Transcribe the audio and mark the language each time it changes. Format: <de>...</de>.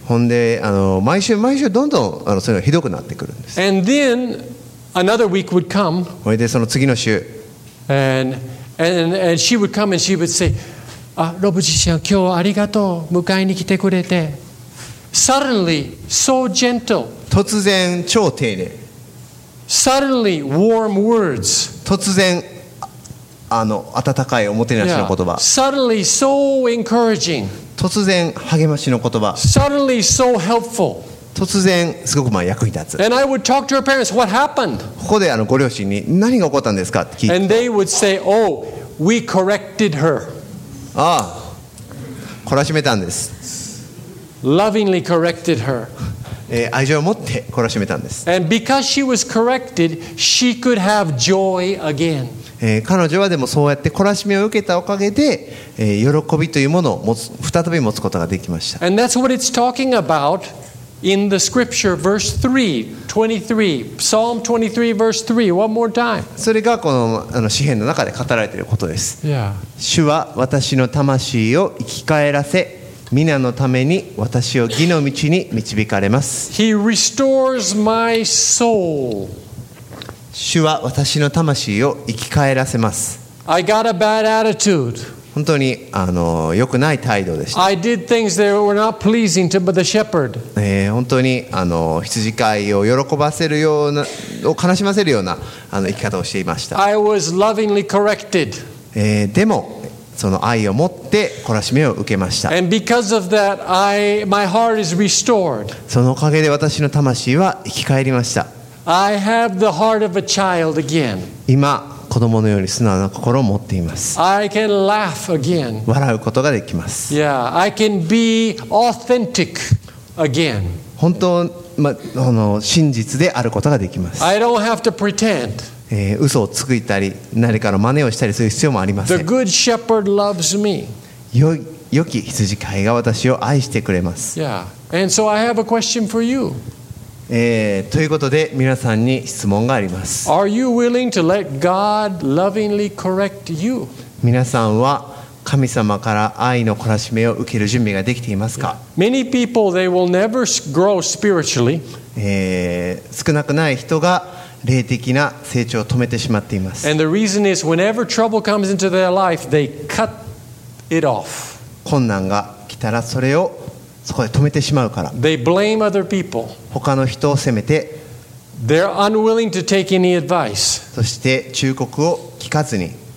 <ja>ほんで、あの、毎週毎週どんどんあのそれがひどくなってくるんです。</ja> <en>And then another week would come.</en> <ja>ほいでその次の週。</ja> <en>And she would come and she would say,</en> <ja>ロブジちゃん、今日ありがとう、迎えに来てくれて。</ja> <en>Suddenly, so gentle.</en> <ja>突然超丁寧。</ja> <en>Suddenly, warm words.</en> <ja>突然あの温かいおもてなしの言葉。</ja> <en>Yeah. Suddenly so encouraging.</en> <ja>突然励ましの言葉。</ja> <en>Suddenly so helpful.</en> <ja>突然すごくまあ役に立つ。</ja> <en>And I would talk to her parents, what happened?</en> <ja>ここであのご両親に何が起こったんですかって聞いて。</ja> <en>And they would say, oh, we corrected her.</en> <ja>ああ、懲らしめたんです。</ja> <en>Lovingly corrected her.</en> <ja>愛情を持って懲らしめたんです。</ja> <en>And because she was corrected, she could have joy again.</en> <ja>彼女はでもそうやって懲らしめを受けたおかげで、喜びというものを持つ再び持つことができました。</ja> <en>And that's what it's talking about in the scripture, verse 3, 23, Psalm 23, verse 3, one more time.</en> <ja>それがこの、あの詩編の中で語られていることです。</ja> <en>Yeah.</en> <ja>主は私の魂を生き返らせ、皆のために私を義の道に導かれます。</ja> <en>He restores my soul.</en> <ja>主は私の魂を生き返らせます。</ja> <en>I got a bad attitude.</en> <ja>本当にあの良くない態度でした。</ja> <en>I did things that were not pleasing to the shepherd.</en> <ja>本当にあの羊飼いを喜ばせるような、を悲しませるようなあの生き方をしていました。</ja> <en>I was lovingly corrected.</en> <ja>でも、その愛を持って懲らしめを受けました。</ja> <en>And because of that, my heart is restored.</en> <ja>そのおかげで私の魂は生き返りました。</ja> <en>I have the heart of a child again.</en> <ja>今、子供のように素直な心を持っています。</ja> <en>I can laugh again.</en> <ja>笑うことができます。</ja> <en>Yeah, I can be authentic again.</en> <ja>本当、ま、あの、真実であることができます。</ja> <en>I don't have to pretend.</en> <ja>嘘をつくいたり何かの真似をしたりする必要もありません。</ja> <en>The good shepherd loves me.</en> <ja>良き羊飼いが私を愛してくれます。</ja> <en>Yeah. And so I have a question for you.</en> <ja>ということで皆さんに質問があります。</ja> <en>Are you willing to let God lovingly correct you?</en> <ja>皆さんは神様から愛の懲らしめを受ける準備ができていますか？</ja> <en>Many people, they will never grow spiritually.</en> <ja>少なくない人が霊的な成長を止めてしまっています。</ja> <en>And the reason is, whenever trouble comes into their life, they cut it off.</en> <ja>困難が来たらそれをそこで止めてしまうから。</ja> <en>They blame other people.</en> <ja>他の人を責めて。</ja> <en>They're unwilling to take any advice.</en> <ja>そして忠告を聞かずに。</ja>